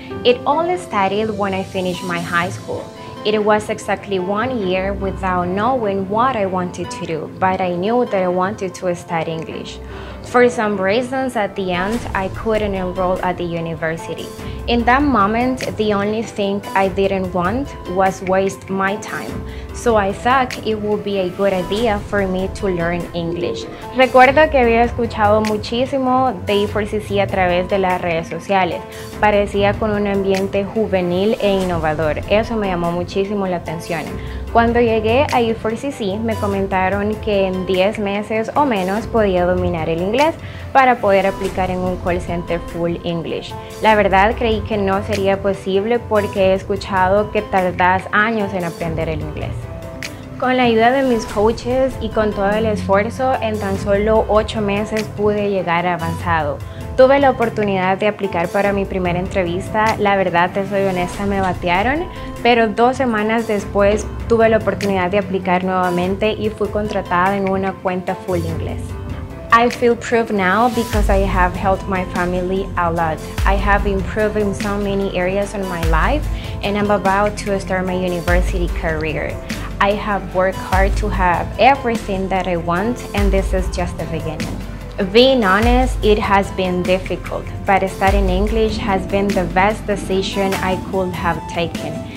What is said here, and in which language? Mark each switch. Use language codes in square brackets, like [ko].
[en] It all started when I finished my high school. It was exactly 1 year without knowing what I wanted to do, but I knew that I wanted to study English. For some reasons, at the end, I couldn't enroll at the university. In that moment, the only thing I didn't want was waste my time. So I thought it would be a good idea for me to learn English. [es] Recuerdo que había escuchado muchísimo de E4CC a través de las redes sociales. Parecía con un ambiente juvenil e innovador. Eso me llamó muchísimo la atención. Cuando llegué a E4CC, me comentaron que en 10 meses o menos podía dominar el inglés para poder aplicar en un call center full English. La verdad, creí que no sería posible porque he escuchado que tardas años en aprender el inglés. Con la ayuda de mis coaches y con todo el esfuerzo, en tan solo 8 meses pude llegar avanzado. Tuve la oportunidad de aplicar para mi primera entrevista. La verdad, te soy honesta, me batearon, pero 2 semanas después tuve la oportunidad de aplicar nuevamente y fui contratada en una cuenta full inglés. [en] I feel proved now because I have helped my family a lot. I have improved in so many areas in my life and I'm about to start my university career. I have worked hard to have everything that I want and this is just the beginning. Being honest, it has been difficult, but studying English has been the best decision I could have taken.